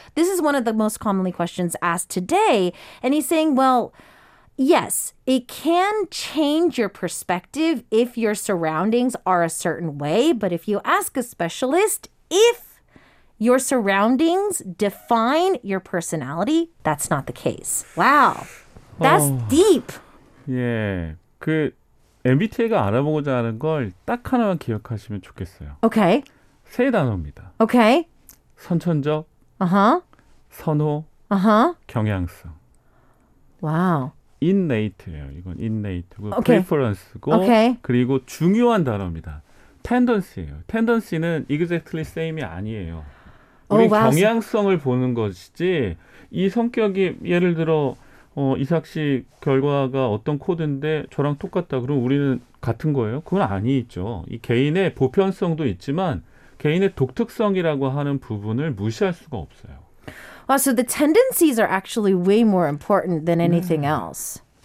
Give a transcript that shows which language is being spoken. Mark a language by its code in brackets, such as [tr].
[en] This is one of the most commonly questions asked today. And he's saying, well, yes, it can change your perspective if your surroundings are a certain way. But if you ask a specialist, if your surroundings define your personality, that's not the case. Wow. That's deep. [ko] 예. 그 MBTI가 알아보고자 하는 걸 딱 하나만 기억하시면 좋겠어요. [en] Okay. [ko] 세 단어입니다. [en] Okay. [ko] 선천적. Uh-huh. 선호. Uh-huh. 경향성. [en] Wow. [ko] innate예요. 이건 innate고 okay. preference고 okay. 그리고 중요한 단어입니다. tendency예요. tendency는 [en] exactly same [ko] 이 아니에요. 우리 [en] oh, wow. [ko] 경향성을 보는 것이지 이 성격이 예를 들어 이삭 씨 결과가 어떤 코드인데 저랑 똑같다 그럼 우리는 같은 거예요? 그건 아니죠. 이 개인의 보편성도 있지만 개인의 독특성이라고 하는 부분을 무시할 수가 없어요. [en] Wow, so the tendencies are actually way more important than anything else.